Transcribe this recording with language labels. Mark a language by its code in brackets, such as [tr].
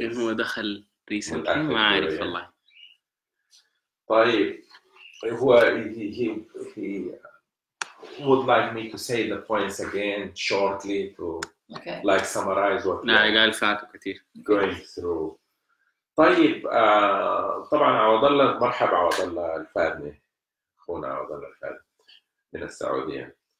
[ar] يمكن هو دخل ريسنتلي ما عارف والله. طيب هو [en] he would like me to say the points again shortly to okay. like summarize what. [ar] نعم قال فاته كتير. [en] Going through. [ar] طيب طبعا عوض الله مرحبا عوض الله الفادني اخونا عوض الله الفادني من السعوديه.